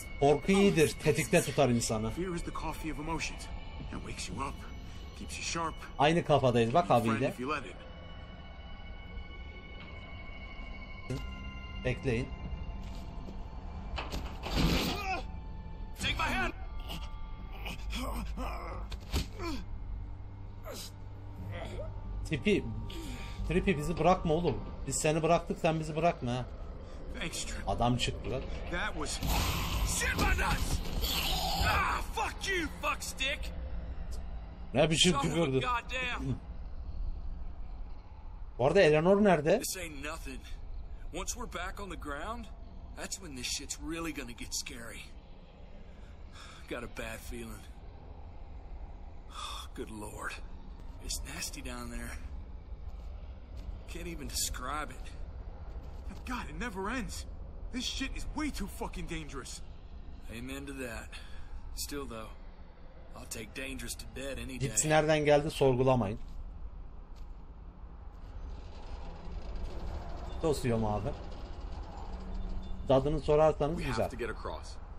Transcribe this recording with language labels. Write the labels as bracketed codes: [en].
[tr] Korku iyidir, tetikte tutar insanı. [en] Fear is the coffee of emotions. It wakes you up, keeps you sharp. [tr] Aynı kafadayız bak abiyle. Bekleyin. [en] Take my hand. [tr] Trippy bizi bırakma oğlum. Biz seni bıraktık, sen bizi bırakma ha. Adam çıktı lan. [en] That was shit my nuts. Ah, fuck you, fuck stick. [tr] Ne biçim küfürdü? Bu arada Eleanor nerede? [en] This ain't nothing. Once we're back on the ground, that's when this shit's really gonna get scary. Got a bad feeling. Good lord. It's nasty down there. Can't even describe it. God, it never ends. This shit is way too fucking dangerous. Amen to that. Still though, I'll take dangerous to dead any day. [tr] Nereden geldi sorgulamayın. Dostuyorum abi. Dadını sorarsanız güzel. [en] We have to get across.